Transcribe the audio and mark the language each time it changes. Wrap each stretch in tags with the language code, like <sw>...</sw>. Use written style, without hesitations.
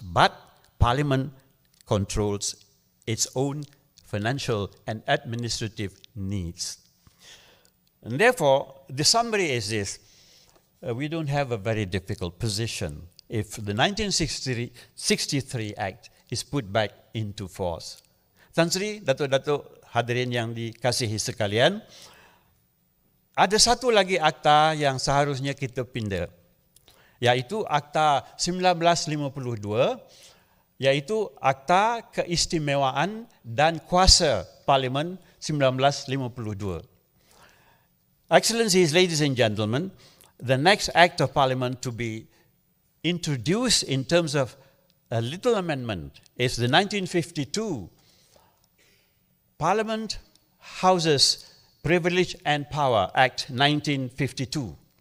<en>But Parliament controls its own financial and administrative needs. And therefore, the summary is this. We don't have a very difficult position if the 1963 Act is put back into force.</en> <ms>Tan Sri, Datuk-Datuk hadirin yang dikasihi sekalian, ada satu lagi akta yang seharusnya kita pindah, yaitu Akta 1952, yaitu Akta Keistimewaan dan Kuasa Parlimen 1952.</ms> <en>Excellencies, ladies and gentlemen, the next Act of Parliament to be introduced in terms of a little amendment is the 1952 Parliament Houses Privilege and Power Act 1952.</en>